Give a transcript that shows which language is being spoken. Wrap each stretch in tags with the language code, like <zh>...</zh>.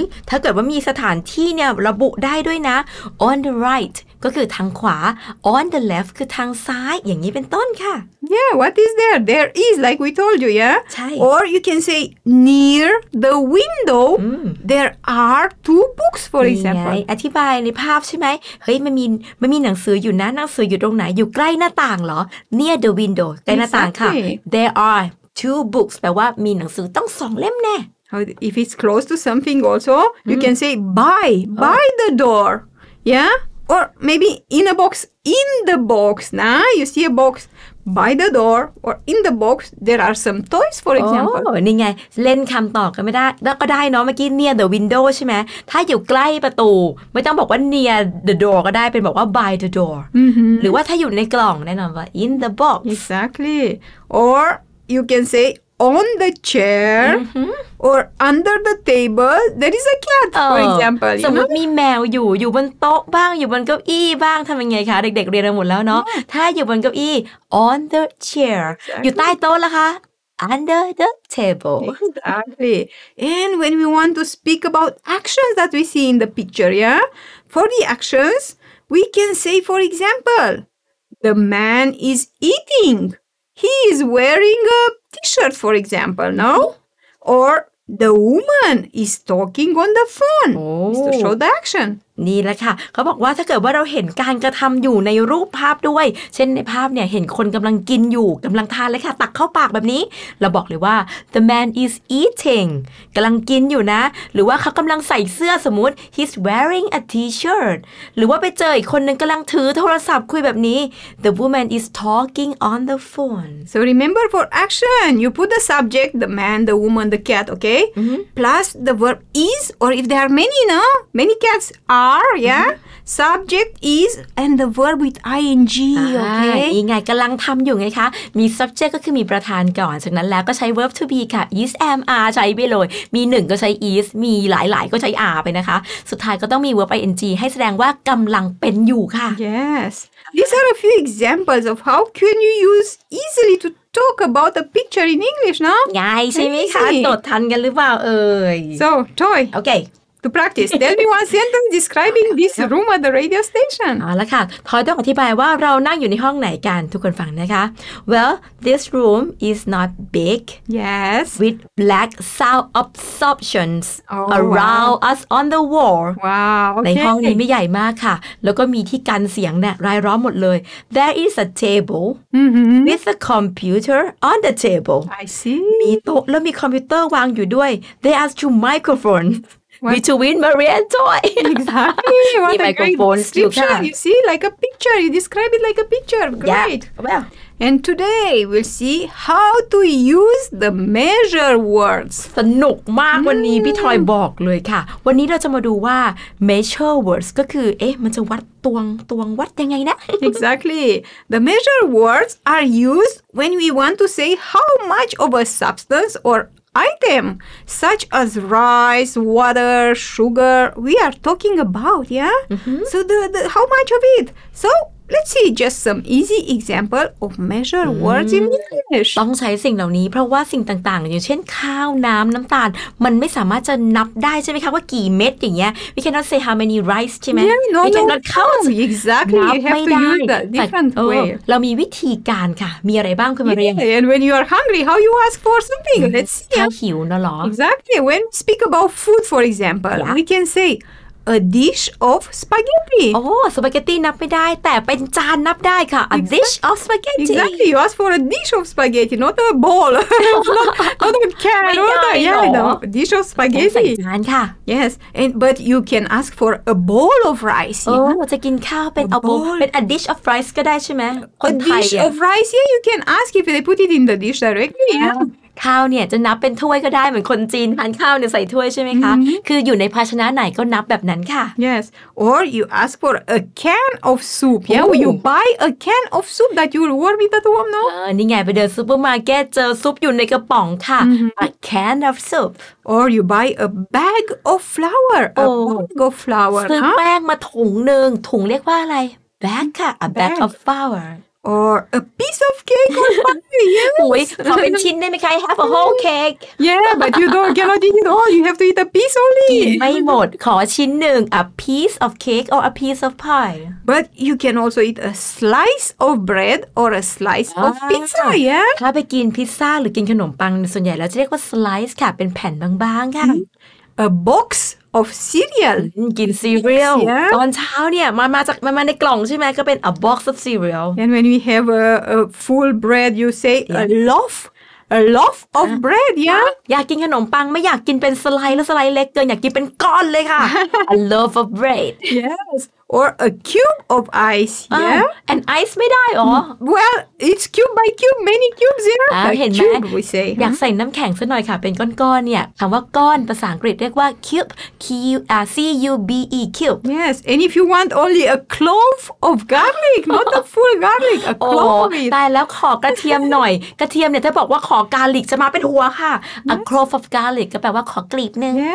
<th>ถ้าเกิดว่ามีสถานที่เนี่ยระบุได้ด้วยนะ</th> <en>on the right</en> <th>ก็คือทางขวา</th> <en>on the left</en> <th>คือทางซ้ายอย่างนี้เป็นต้นค่ะ</th> <en>Yeah what is there there is like we told you yeah</en> <th>ใช่</th> <en>or you can say near the window there are two books for example</en> <th>อธิบายในภาพใช่ไหมเฮ้ยมันมีหนังสืออยู่นะหนังสืออยู่ตรงไหนอยู่ใกล้หน้าต่างเหรอ</th> <en>near the window</en> <th>ใกล้หน้าต่างค่ะ</th> <en>there are two books</en> <th>แปลว่ามีหนังสือต้องสองเล่มแน่</th> <en>if it's close to something also you can say by the door yeahOr maybe in a box, in the box. Nah, you see a box by the door or in the box, there are some toys, for example.</en> <th>นี่ไงเล่นคำต่อกันไม่ได้แล้วก็ได้เนาะเมื่อกี้</th> <en>near the window</en> <th>ใช่ไหมถ้าอยู่ใกล้ประตูไม่ต้องบอกว่า</th> <en>near the door</en> <th>ก็ได้เป็นบอกว่า</th> <en>by the door.</en> <th>หรือว่าถ้าอยู่ในกล่องแน่นอนว่า</th> <en>in the box. Exactly. Or you can say... On the chair or under the table, there is a cat, for example.</en> <th>สมมติมีแมวอยู่บนโต๊ะบ้างอยู่บนเก้าอี้บ้างทำยังไงคะเด็กๆเรียนมาหมดแล้วเนาะถ้าอยู่บนเก้าอี้</th> <en>on the chair</en> <th>อยู่ใต้โต๊ะละคะ</th> <en>under the table. Exactly. And when we want to speak about actions that we see in the picture, for the actions, we can say, for example, the man is eating. He is wearing a... T-shirt, for example, no? Or the woman is talking on the phone. It's to show the action.</en> <th>นี่แหละค่ะเขาบอกว่าถ้าเกิดว่าเราเห็นการกระทำอยู่ในรูปภาพด้วยเช่นในภาพเนี่ยเห็นคนกำลังกินอยู่กำลังทานเลยค่ะตักเข้าปากแบบนี้เราบอกเลยว่า</th> <en>the man is eating</en> <th>กำลังกินอยู่นะหรือว่าเขากำลังใส่เสื้อสมมุติ</th> <en>he's wearing a T-shirt</en> <th>หรือว่าไปเจออีกคนนึงกำลังถือโทรศัพท์คุยแบบนี้</th> <en>the woman is talking on the phone so remember for action you put the subject the man the woman the cat okay plus the verb is or if there are many no many cats are yeah subject is and the verb with ing okay</en> <th>นี่ไงกำลังทำอยู่ไงคะมี subject ก็คือมีประธานก่อนจากนั้นแล้วก็ใช้ verb to be ค่ะ is am are ใช้ไปเลยมีหนึ่งก็ใช้ is มีหลายๆก็ใช้ are ไปนะคะสุดท้ายก็ต้องมี verb ing ให้แสดงว่ากำลังเป็นอยู่ค่ะ</th> <en>yes these are a few examples of how can you use easily toTalk about a picture in English, no?</en> <th>ง่ายใช่ไหมคะจดทันกันหรือเปล่าเอ่ย</th> <en>So, Toy. Okay. to practice. Tell me one sentence describing this room at the radio station.</en> <th>เอาละค่ะทอยต้องอธิบายว่าเรานั่งอยู่ในห้องไหนกันทุกคนฟังนะคะ</th> <en>Well, this room is not big. Yes. With black sound absorptions around wow. us on the wall. Wow. Okay.</en> <th>ในห้องนี้ไม่ใหญ่มากค่ะแล้วก็มีที่กันเสียงเนี่ยรายล้อมหมดเลย</th> <en>There is a table with a computer on the table. I see.</en> <th>มีโต๊ะแล้วมีคอมพิวเตอร์วางอยู่ด้วย</th> <en>There are two microphones. Between Maria and Toy. Exactly. What a great description. You see, like a picture. You describe it like a picture. Great. Yeah. Well. And today, we'll see how to use the measure words.</en> <th>สนุกมากวันนี้พี่ทอยบอกเลยค่ะวันนี้เราจะมาดูว่า measure words ก็คือมันจะวัดตวงวัดยังไงนะ</th> <en>Exactly. The measure words are used when we want to say how much of a substance orItem such as rice, water, sugar, we are talking about, yeah? Mm-hmm. So the how much of it? So let's see just some easy example of measure words in English.</en> <th>ต้องใช้สิ่งเหล่านี้เพราะว่าสิ่งต่างๆอย่างเช่นข้าวน้ำน้ำตาลมันไม่สามารถจะนับได้ใช่ไหมคะว่ากี่เม็ดอย่างเงี้ย</th> <en>We cannot say how many rice</en> <th>ใช่ไหม</th> <en>Yeah, no, We cannot count no. exactly. You have to use the different way. เรามีวิธีการค่ะมีอะไรบ้างคุณมาเรียน And when you are hungry, how you ask for something? Let's see.</en> <th>ถ้าหิวนะหรอ</th> <en>Exactly. When we speak about food, for example, we can say. A dish of spaghetti.</en> <th>Oh, spaghetti นับไม่ได้แต่เป็นจานนับได้ค่ะ</th> <en>A exactly. dish of spaghetti. Exactly, you ask for a dish of spaghetti, not a bowl. not a can.</en> <th>ไม่ได้</th> <en>yeah,</en> <th>หรอ</th> <en>no. Dish of spaghetti.</en> <th>จานค่ะ</th> <en>Yes, and, but you can ask for a bowl of rice. Oh, yeah.</en> <th>จะกินข้าวเป็น</th> <en>a bowl.</en> <th>เป็น</th> <en>a dish of rice</en> <th>ก็ได้ใช่ไหม</th> <en>A dish of rice, yeah, you can ask if they put it in the dish directly. Yeah. yeah.</en> <th>ข้าวเนี่ยจะนับเป็นถ้วยก็ได้เหมือนคนจีนทานข้าวเนี่ยใส่ถ้วยใช่ไหมคะ mm-hmm. คืออยู่ในภาชนะไหนก็นับแบบนั้นค่ะ</th> <en>Yes or you ask for a can of soup yeah Ooh. you buy a can of soup that you warm it at home no</en> <th>นี่ไงไปเดินซูเปอร์มาร์เก็ตเจอซุปอยู่ในกระป๋องค่ะ mm-hmm.</th> <en>a can of soup or you buy a bag of flour a bag of flour</en> <th>ซื้อแป้งมาถุงนึงถุงเรียกว่าอะไร bag ค่ะ</th> <en>a bag of flour Or a piece of cake or pie, yes.</en> <th>โอ้ย ขอเป็นชิ้นได้ไหมคะ</th> <en>Have a whole cake. Yeah, but you don't cannot eat it all. You have to eat a piece only.</en> <th>กินไม่หมดขอชิ้นหนึ่ง</th> <en>A piece of cake or a piece of pie. But you can also eat a slice of bread or a slice of pizza, yeah.</en> <th>ถ้าไปกินพิซซ่าหรือกินขนมปังส่วนใหญ่แล้วจะเรียกว่า slice ค่ะเป็นแผ่นบางๆค่ะ</th> <en>A box. Of cereal.</en> <th>กิน cereal.</th> <en>Yeah.</en> <th>ตอนเช้าเนี่ยมาจากมาในกล่องใช่ไหมก็เป็น</th> <en>a box of cereal. And when we have a full bread, you say a loaf of bread. Yeah.</en> <th>อยากกินขนมปังไม่อยากกินเป็นสไลด์แล้วสไลด์เล็กเกินอยากกินเป็นก้อนเลยค่ะ</th> <en>a loaf of bread. Yes. Or a cube of ice, yeah? And ice</en> <th>ไม่ได้หรอ</th> <en>Well, it's cube by cube, many cubes, yeah?</en> <th>เห็นไหม</th> <en>we say.</en> <th>อยากใส่น้ำแข็งสักหน่อยค่ะเป็นก้อนๆเนี่ยคำว่าก้อนภาษาอังกฤษเรียกว่า cube, C-U-B-E, cube.</th> <en>Yes, and if you want only a clove of garlic, not a full garlic, a clove of it.</en> <th>แต่แล้วขอกระเทียมหน่อยกระเทียมเนี่ยถ้าบอกว่าขอ garlic จะมาเป็นหัวค่ะ</th> <en>A clove of garlic</en> <th>ก็แปลว่าขอกลีบนึง</th>